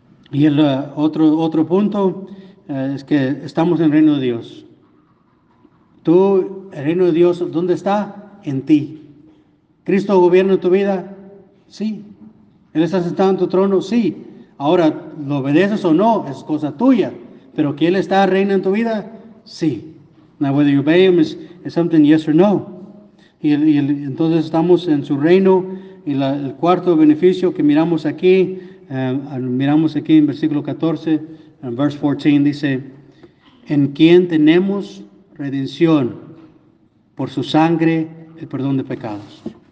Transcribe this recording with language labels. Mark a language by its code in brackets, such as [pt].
[es] Y el otro punto es que estamos en el reino de Dios. Tú, el reino de Dios, ¿dónde está? En ti. ¿Cristo gobierna tu vida? Sí. ¿Él está sentado en tu trono? Sí. Ahora, ¿lo obedeces o no? Es cosa tuya. ¿Pero que Él está reina en tu vida? Sí. [en] Now, whether you obey Him is something yes or no. [es] Y entonces estamos en su reino. Y el cuarto beneficio que miramos aquí, miramos aquí en versículo 14, en [en] verse 14 [es] dice, en quien tenemos redención por su sangre, el perdón de pecados.